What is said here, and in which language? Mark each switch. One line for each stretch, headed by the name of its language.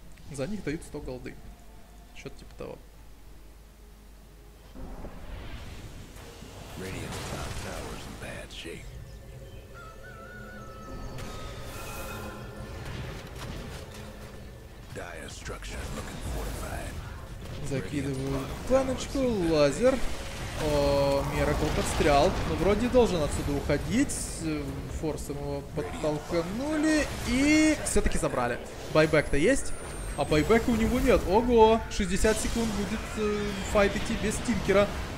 Russian: За них дают 100 голды. Что-то типа того.
English: Radiant's top tower's in bad shape. Dire structure looking fortified.
Russian: Закидываю планочку, лазер. О, Miracle подстрял. Ну, вроде должен отсюда уходить. Форсом его подтолкнули. И все-таки забрали. Байбек-то есть? А байбека у него нет. Ого, 60 секунд будет файт идти без Тинкера.